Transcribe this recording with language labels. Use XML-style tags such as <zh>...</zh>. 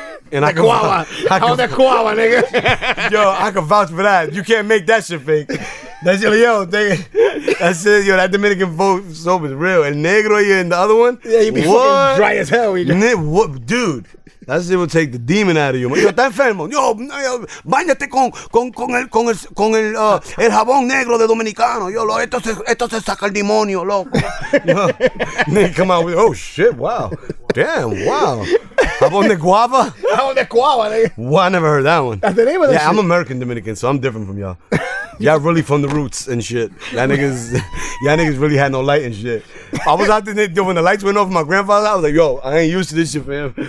<en>And that koala. How's that koala, nigga? Yo, I can vouch for that. You can't make that shit fake. That's your, yo, that's it. Yo, that Dominican soap is real. El Negro, you in the other one? Yeah, you be what? Fucking dry as hell. Dude. That's it, will take the demon out of you.</en> <es>Yo, está enfermo. Yo, bañate con el jabón negro de Dominicano. Yo, lo, esto se saca el demonio, loco.</es> <en>Then you come out with, oh, shit, wow. Damn, wow. Jabón de guava? Jabón de guava, nigga. Well, I never heard that one. That's the name of that Yeah, I'm American Dominican, so I'm different from y'all. Y'all really from the roots and shit. Y'all niggas really had no light and shit. I was out there, when the lights went off my grandfather, I was like, yo, I ain't used to this shit, fam.</en>